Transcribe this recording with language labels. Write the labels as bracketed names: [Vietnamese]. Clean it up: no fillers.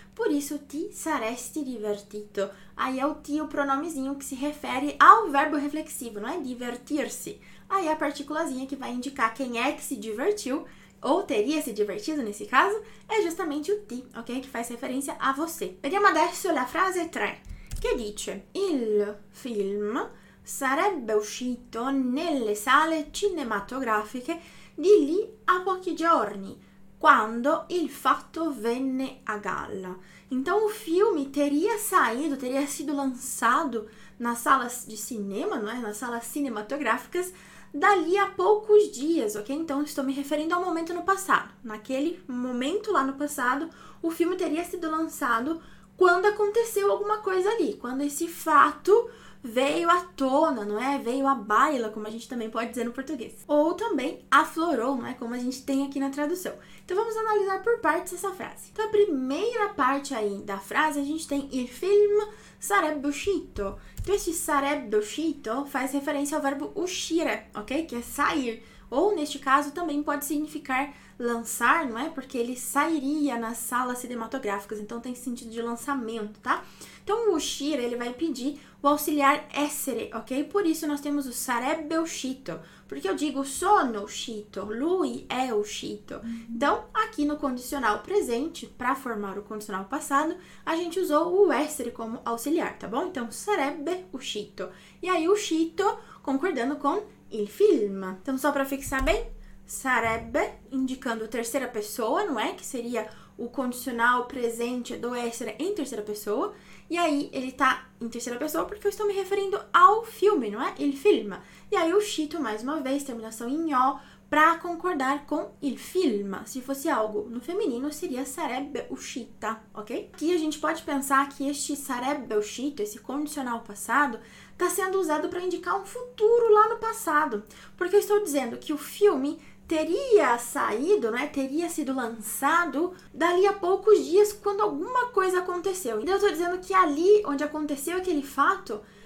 [Portuguese] Por isso, [Italian] ti saresti divertito. [Portuguese] Aí é o ti, o pronomezinho que se refere ao verbo reflexivo, não é? Divertir-se. Aí a partículazinha que vai indicar quem é que se divertiu, ou teria se divertido nesse caso, é justamente o ti, ok? Que faz referência a você. [Italian] Vediamo adesso la frase 3, che dice: il film sarebbe uscito nelle sale cinematografiche di lì a pochi giorni, quando il fatto venne a galla. [Portuguese] Então, o filme teria saído, teria sido lançado nas salas de cinema, não é? Nas salas cinematográficas, dali a poucos dias, ok? Então, estou me referindo ao momento no passado. Naquele momento lá no passado, o filme teria sido lançado quando aconteceu alguma coisa ali, quando esse fato veio à tona, não é? Veio à baila, como a gente também pode dizer no português. Ou também aflorou, não é? Como a gente tem aqui na tradução. Então, vamos analisar por partes essa frase. Então, a primeira parte aí da frase, a gente tem [Italian] il film sarebbe uscito. [Portuguese] Então, esse sarebbe uscito faz referência ao verbo uscire, ok? Que é sair. Ou, neste caso, também pode significar lançar, não é? Porque ele sairia nas salas cinematográficas. Então, tem sentido de lançamento, tá? Então, o uscire, ele vai pedir o auxiliar essere, ok? Por isso, nós temos o sarebbe uscito. Porque eu digo [Italian] sono uscito, lui è uscito. [Portuguese] Então, aqui no condicional presente, para formar o condicional passado, a gente usou o essere como auxiliar, tá bom? Então, sarebbe uscito. E aí, uscito, concordando com il film. Então, só para fixar bem, sarebbe, indicando terceira pessoa, não é? Que seria o condicional presente do essere em terceira pessoa. E aí, ele tá em terceira pessoa porque eu estou me referindo ao filme, não é? Il film. E aí, uscito, mais uma vez, terminação em O, para concordar com il film. Se fosse algo no feminino, seria sarebbe uscita, ok? Aqui a gente pode pensar que este sarebbe uscito, esse condicional passado, está sendo usado para indicar um futuro lá no passado. Porque eu estou dizendo que o filme teria saído, né? Teria sido lançado dali a poucos dias quando alguma coisa aconteceu. Então, eu estou dizendo que ali onde aconteceu aquele fato,